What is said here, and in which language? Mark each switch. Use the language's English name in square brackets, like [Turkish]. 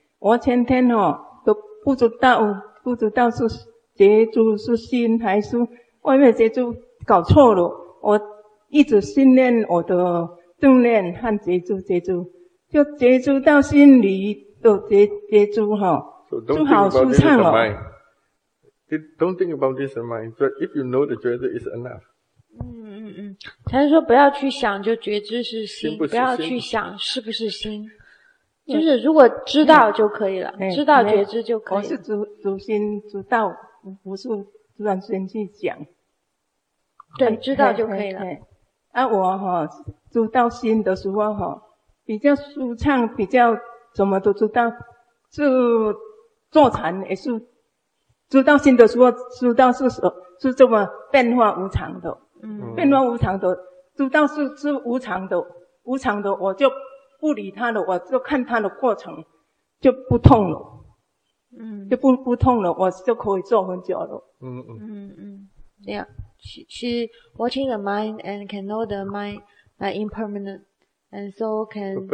[Chinese] 我前天哦都不知道是觉知是心还是外面觉知，搞错了。我一直训练我的正念和觉知，就觉知到心里的觉知哈，就好舒畅了。 [English] Don't think about this in mind, but if you know the 觉知 is enough. [Chinese] 禅师说不要去想就觉知是心，不要去想是不是心。就是如果知道就可以了，知道觉知就可以了。我是主心知道，不是专心去想。对，知道就可以了。啊，我哈住到心的时候哈，比较舒畅，比较怎么都知道，就坐禅也是，住到心的时候，住到是什是这么变化无常的，嗯，变化无常的，住到是无常的，无常的我就不理他了，我就看他的过程就不痛了，嗯，就不痛了，我就可以坐很久了，嗯嗯嗯，这样。 [English] She watching the mind and can know the mind like impermanent and so can